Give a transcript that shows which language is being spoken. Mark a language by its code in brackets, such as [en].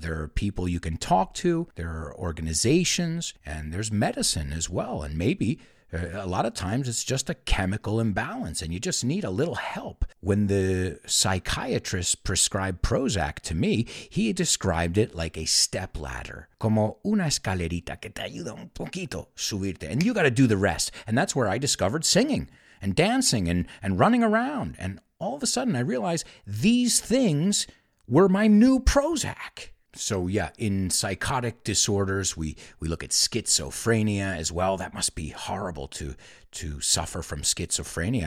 [en] There are people you can talk to. There are organizations. And there's medicine as well. And maybe a lot of times it's just a chemical imbalance and you just need a little help. When the psychiatrist prescribed Prozac to me, he described it like a stepladder. [es] Como una escalerita que te ayuda un poquito subirte. [en] And you got to do the rest. And that's where I discovered singing and dancing and running around. And all of a sudden I realized these things were my new Prozac. So yeah, in psychotic disorders, we look at schizophrenia as well. That must be horrible to suffer from schizophrenia.